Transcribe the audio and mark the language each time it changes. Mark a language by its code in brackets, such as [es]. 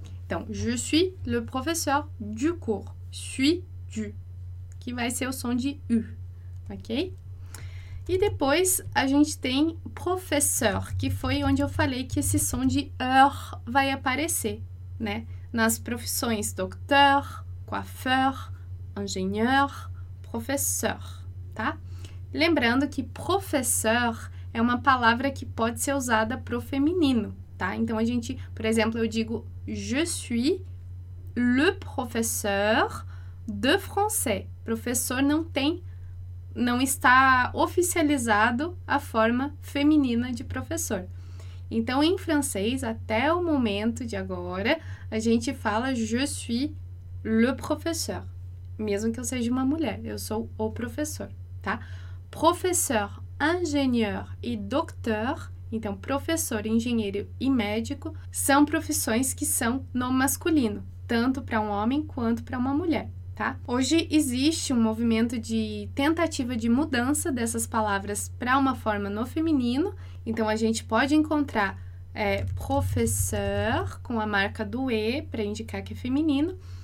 [pt] Então, [fr] je suis le professeur du cours, [pt] suis du, que vai ser o som de U, ok? E depois, a gente tem professeur, que foi onde eu falei que esse som de heure vai aparecer, né? Nas profissões docteur, coiffeur, ingénieur, professeur, tá? Lembrando que professeur é uma palavra que pode ser usada pro feminino, tá? Então, a gente, por exemplo, eu digo... [fr] Je suis le professeur de français. [pt] Professor não tem, não está oficializado a forma feminina de professor. Então, em francês, até o momento de agora, a gente fala [fr] je suis le professeur. [pt] Mesmo que eu seja uma mulher, eu sou o professor, tá? Professeur, ingénieur e docteur. Então, professor, engenheiro e médico são profissões que são no masculino, tanto para um homem quanto para uma mulher, tá? Hoje existe um movimento de tentativa de mudança dessas palavras para uma forma no feminino. Então, a gente pode encontrar professeur com a marca do E para indicar que é feminino.